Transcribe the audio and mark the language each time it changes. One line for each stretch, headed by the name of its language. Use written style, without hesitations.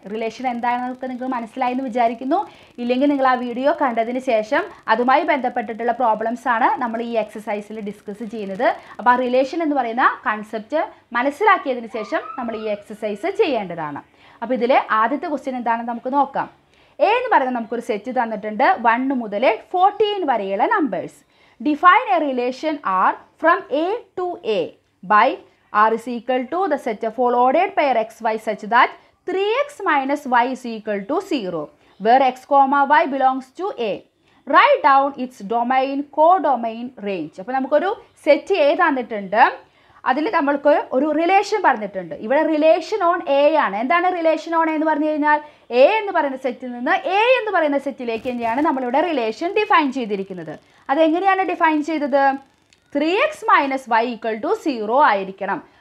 Malayalam: Relation എന്താണെന്നൊക്കെ നിങ്ങൾക്ക് മനസ്സിലായെന്ന് വിചാരിക്കുന്നു. ഇല്ലെങ്കിൽ നിങ്ങൾ ആ വീഡിയോ കണ്ടതിന് ശേഷം അതുമായി ബന്ധപ്പെട്ടിട്ടുള്ള പ്രോബ്ലംസ് ആണ് നമ്മൾ ഈ എക്സസൈസിൽ ഡിസ്കസ് ചെയ്യുന്നത്. അപ്പോൾ ആ റിലേഷൻ എന്ന് പറയുന്ന കൺസെപ്റ്റ് മനസ്സിലാക്കിയതിന് ശേഷം നമ്മൾ ഈ എക്സസൈസ് ചെയ്യേണ്ടതാണ്. അപ്പോൾ ഇതിലെ ആദ്യത്തെ ക്വസ്റ്റ്യൻ എന്താണെന്ന് നമുക്ക് നോക്കാം. എ എന്ന് പറയുന്ന നമുക്കൊരു സെറ്റ് തന്നിട്ടുണ്ട്, 1 മുതൽ 14 വരെയുള്ള numbers.
English: Define a relation R from A to A by R is equal to the set of all ordered pair XY such that 3X minus Y is equal to 0, where X, Y belongs to A. Write down its domain, codomain, range.
Malayalam: അപ്പോൾ നമുക്കൊരു set A തന്നിട്ടുണ്ട്, അതിൽ നമ്മൾക്ക് ഒരു relation പറഞ്ഞിട്ടുണ്ട്. ഇവിടെ relation on A ആണ്. എന്താണ് റിലേഷൻ ഓൺ എന്ന് പറഞ്ഞു കഴിഞ്ഞാൽ, എ എന്ന് പറയുന്ന സെറ്റിൽ നിന്ന് എ എന്ന് പറയുന്ന സെറ്റിലേക്ക് തന്നെയാണ് നമ്മളിവിടെ റിലേഷൻ ഡിഫൈൻ ചെയ്തിരിക്കുന്നത്. അതെങ്ങനെയാണ് ഡിഫൈൻ ചെയ്തത്? 3x - y = 0 ആയിരിക്കണം.